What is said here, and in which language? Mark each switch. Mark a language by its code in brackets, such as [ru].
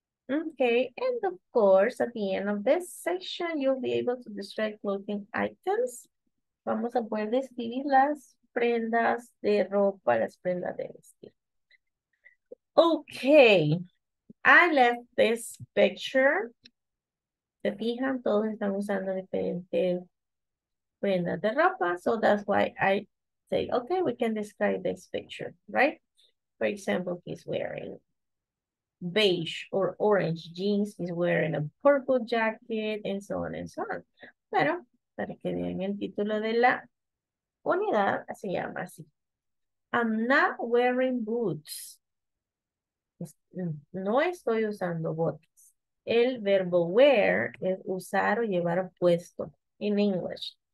[en] Okay, and of course, at the end of this session, you'll be able to describe clothing items. [es] Vamos a poder describir las prendas de ropa, las prendas de vestir. [en] Okay, I left this picture. [es] Se fijan, todos están usando diferentes prendas de ropa, [en] so that's why I say, okay, we can describe this picture, right? For example, he's wearing beige or orange jeans, he's wearing a purple jacket, and so on and so on. [es] Pero, para que vean el título de la unidad, se llama así. [en] I'm not wearing boots. [es] No estoy usando botas. El verbo wear es usar o llevar puesto [en] in English.